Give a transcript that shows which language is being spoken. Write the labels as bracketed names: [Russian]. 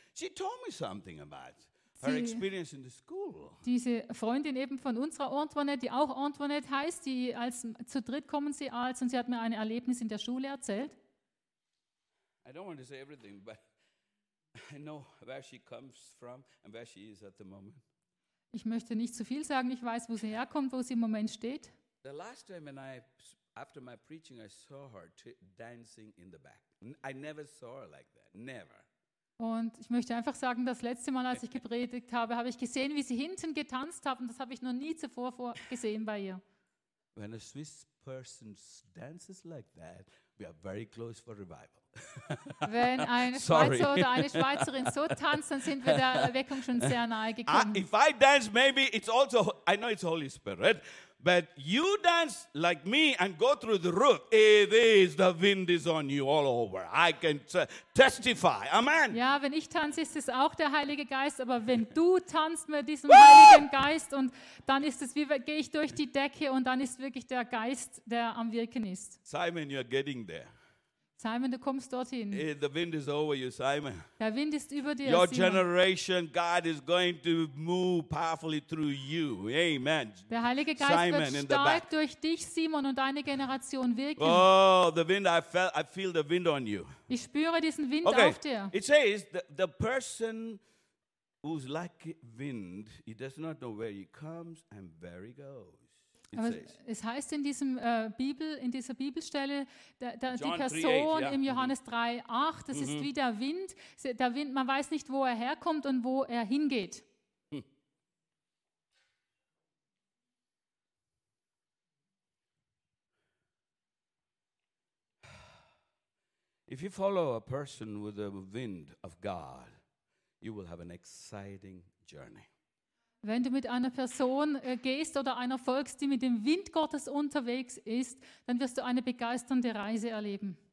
[English] She told me something about her experience in the school. [German] Diese Freundin eben von unserer Antoinette, die auch Antoinette heißt, die als zu dritt kommen sie als und sie hat mir ein Erlebnis in der Schule erzählt. [English] I don't want to say everything, but I know where she comes from and where she is at the moment. [German] Ich möchte nicht zu viel sagen. Ich weiß, wo sie herkommt, wo sie im Moment steht. [English] The last time when I, after my preaching, I saw her dancing in the back. I never saw her like that. Never. [German] Und ich möchte einfach sagen, das letzte Mal, als ich gepredigt habe, habe ich gesehen, wie sie hinten getanzt hat, und das habe ich noch nie zuvor gesehen bei ihr. [English] When a Swiss person dances like that, we are very close for revival. [German] Wenn eine Schweizer oder eine Schweizerin so tanzt, dann sind wir der Erweckung schon sehr nahe gekommen. [English] If I dance, maybe it's also, I know it's Holy Spirit, but you dance like me and go through the roof, it is, the wind is on you all over. I can testify. Amen. [German] Ja, wenn ich tanze, ist es auch der Heilige Geist, aber wenn du tanzt mit diesem Heiligen Geist, und dann ist es, wie gehe ich durch die Decke, und dann ist wirklich der Geist, der am Wirken ist. [English] Simon, you're getting there. [German] Simon, du kommst dorthin. [English] The wind is over you, Simon. [German] Der Wind ist über dir, [English] your Simon. Generation, God is going to move powerfully through you. Amen. [German] Der Heilige Geist Simon wird stark durch dich, Simon, und deine Generation wirken. [English] Oh, the wind, I feel the wind on you. [German] Ich spüre diesen Wind, [English] okay, [German] auf dir. [English] It says the person who's like wind, he does not know where he comes and where he goes. [German] Aber es heißt in diesem Bibel, in dieser Bibelstelle, die Person 3, 8, ja. im Johannes 3, 8, das ist wie der Wind. Der Wind, man weiß nicht, wo er herkommt und wo er hingeht. [English] If you follow a person with the wind of God, you will have an exciting journey. [German] Wenn du mit einer Person gehst oder einer folgst, die mit dem Wind Gottes unterwegs ist, dann wirst du eine begeisternde Reise erleben.